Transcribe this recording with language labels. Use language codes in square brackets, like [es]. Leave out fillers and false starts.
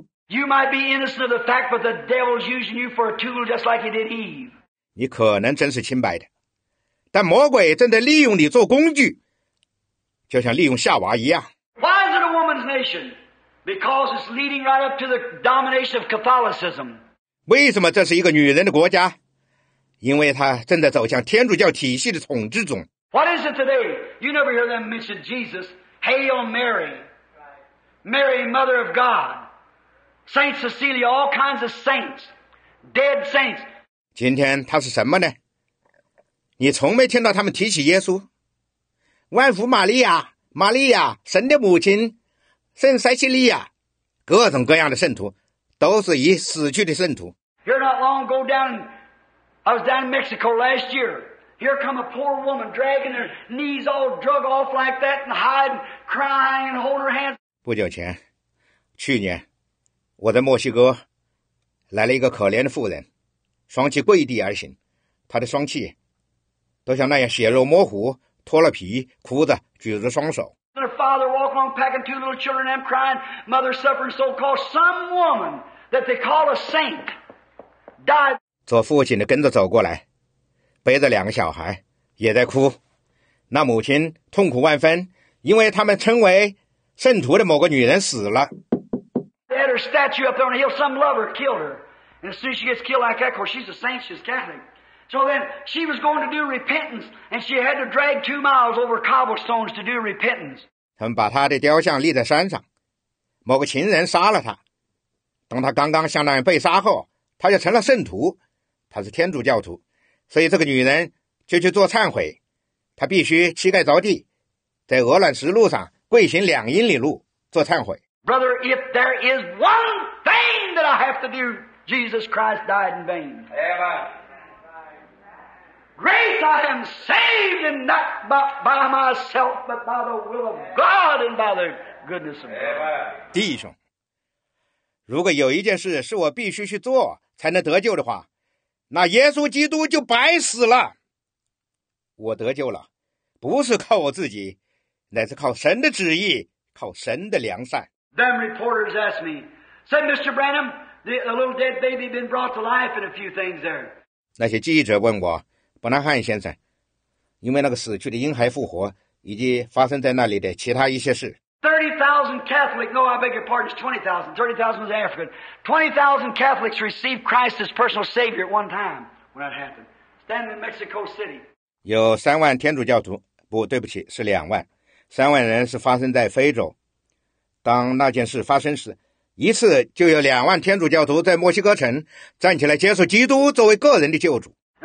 [en] You might be innocent of the fact, but the devil's using you for a tool just like he did Eve. [zh] 你可能真是清白的，但魔鬼正在利用你做工具，就像利用夏娃一样。 [en] Why is it a woman's nation? Because it's leading right up to the domination of Catholicism. [zh] 为什么这是一个女人的国家？因为它正在走向天主教体系的统治中。 [en] What is it today? You never hear them mention Jesus. Hail Mary. Mary, Mother of God. Saint Cecilia, all kinds of saints, dead saints. [zh] 今天他是什么呢？你从没听到他们提起耶稣、万福玛利亚、玛利亚、神的母亲、圣塞西利亚，各种各样的圣徒，都是已死去的圣徒。 [en] Here not long ago, I was down in Mexico last year. Here come a poor woman dragging her knees all drug off like that and hiding, crying, and holding her hands. [zh] 不久前。去年我在墨西哥来了一个可怜的妇人，双膝跪地而行，她的双膝都像那样血肉模糊，脱了皮，哭着举着双手。 [en] Their father walk along packing two little children and crying, mother suffering so-called some woman that they call a saint died. [zh] 做父亲的跟着走过来，背着两个小孩也在哭，那母亲痛苦万分，因为他们称为圣徒的某个女人死了。 [en] They had her statue up there on the hill, some lover killed her. And as soon as she gets killed like that, of course she's a saint, she's Catholic. So then she was going to do repentance, and she had to drag 2 miles over cobblestones to do repentance. [zh] 他们把她的雕像立在山上，某个情人杀了她，当她刚刚相当于被杀后，她就成了圣徒，她是天主教徒，所以这个女人就去做忏悔，她必须膝盖着地，在鹅卵石路上跪行两英里路做忏悔。 [en] Brother, if there is one thing that I have to do, Jesus Christ died in vain. Amen. Grace, I am saved, and not by myself, but by the will of God and by the goodness of God. Amen. [zh] 弟兄，如果有一件事是我必须去做才能得救的话，那耶稣基督就白死了。我得救了，不是靠我自己，乃是靠神的旨意，靠神的良善。 [en] Them reporters asked me, said Mr. Branham, the little dead baby been brought to life in a few things there. [zh] 那些记者问我，伯南汉先生，因为那个死去的婴孩复活，以及发生在那里的其他一些事。 [en] 30,000 was African. 20,000 Catholics received Christ as personal Savior at one time when that happened. Standing in Mexico City. [zh] 有30,000天主教徒，不，对不起，是20,000。30,000人是发生在非洲，当那件事发生时，一次就有20,000天主教徒在墨西哥城站起来接受基督作为个人的救主。